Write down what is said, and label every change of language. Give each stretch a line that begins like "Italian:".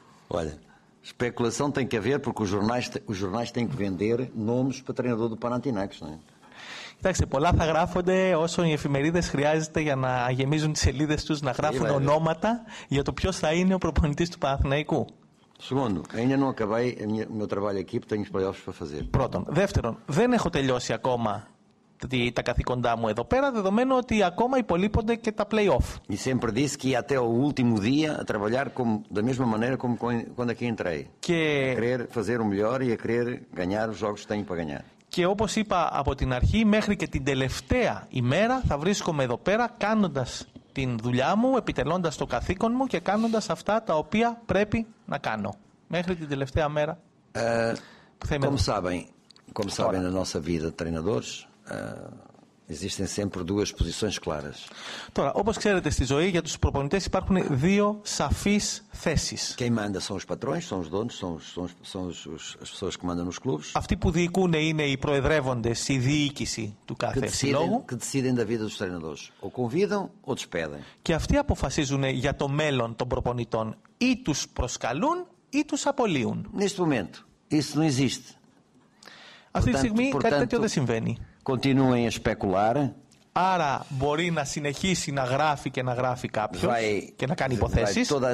Portuguese: Olha, especulação tem que haver porque os jornais têm que vender nomes para treinador do Panathinaikos, não é?
Greek: Κοιτάξτε, πολλά θα γράφονται όσο οι εφημερίδες χρειάζεται για να γεμίζουν τις σελίδες τους, να γράφουν ονόματα για το ποιος θα είναι ο προπονητής του Παναθηναϊκού.
Portuguese: Segundo, ainda não acabei o meu trabalho aqui porque tenho os playoffs para fazer. Pronto.
Greek: Δεύτερον, δεν έχω τελειώσει ακόμα τα καθήκοντά μου εδώ πέρα, δεδομένου ότι ακόμα υπολείπονται και τα playoff.
Portuguese: E sempre disse que ia até o último dia a trabalhar como, da mesma maneira como quando aqui entrei.
Greek: Και...
Portuguese: A querer fazer o melhor e a querer ganhar os jogos que tenho para ganhar.
Greek: Και όπως είπα από την αρχή, μέχρι και την τελευταία ημέρα θα βρίσκομαι εδώ πέρα κάνοντας την δουλειά μου, επιτελώντας το καθήκον μου και κάνοντας αυτά τα οποία πρέπει να κάνω. Μέχρι την τελευταία μέρα που θα είμαι
Portuguese: como
Greek: εδώ.
Portuguese: Sabem, como
Greek: τώρα.
Portuguese: Sabem, na nossa vida treinadores, existem sempre duas posições claras.
Greek: Τώρα, όπως ξέρετε στη ζωή, για τους προπονητές υπάρχουν δύο σαφείς θέσεις.
Portuguese: Quem manda são os patrões, são os donos, são as pessoas que mandam nos clubes.
Greek: Αυτοί που διοικούν είναι οι προεδρεύοντες, η διοίκηση του κάθε συλλόγου.
Portuguese: Que decidem da vida dos treinadores. Ou convidam ou despedem.
Greek: Και αυτοί αποφασίζουν για το μέλλον των προπονητών. Ή τους προσκαλούν ή τους απολύουν.
Portuguese: Neste momento, isso não existe.
Greek: Αυτή τη στιγμή κάτι τέτοιο δεν συμβαίνει.
Portuguese: Continuem a especular.
Greek: Άρα μπορεί να συνεχίσει να γράφει και να γράφει κάποιος και να κάνει υποθέσεις.